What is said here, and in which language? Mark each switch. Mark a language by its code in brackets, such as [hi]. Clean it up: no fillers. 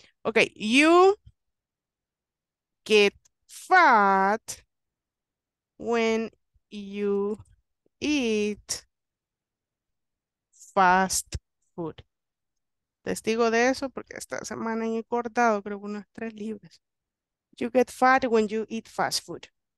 [en] Ok, you get fat when you eat fast food. [es] Testigo de eso porque esta semana he cortado creo unas 3 libras. [en] You get fat when you eat fast food.